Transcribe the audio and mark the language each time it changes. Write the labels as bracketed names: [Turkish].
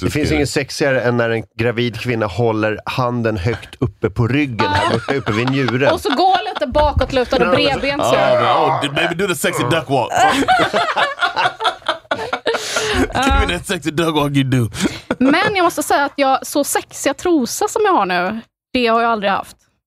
[Swedish] det finns ingen sexigare än när en gravid kvinna håller handen högt uppe på ryggen här borta uppe vid njuren. Och så gå lite bakåt lutade bredbent. [English] Baby, do the sexy duck walk. Give me that sexy duck walk you do. [Swedish] Men jag måste säga att jag så sexiga trosa som jag har nu, det har jag aldrig haft.